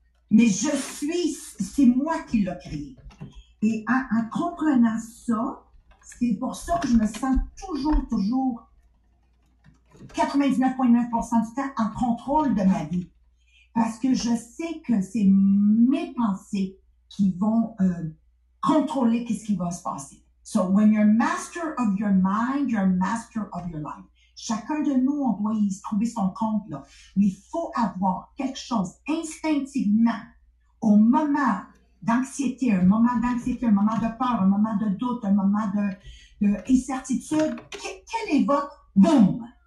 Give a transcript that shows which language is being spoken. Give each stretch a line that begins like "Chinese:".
French: Mais je suis, c'est moi qui l'ai créé. Et en comprenant ça, c'est pour ça que je me sens toujours, toujours, 99,9% du temps, en contrôle de ma vie. Parce que je sais que c'est mes pensées qui vont contrôler ce qui va se passer.
English: So, when you're master of your mind, you're master of your life.
French: Chacun de nous, on doit y trouver son compte, là. Mais il faut avoir quelque chose instinctivement, au moment d'anxiété, un moment d'anxiété, un moment de peur, un moment de doute, un moment d'incertitude, quel est votre boom?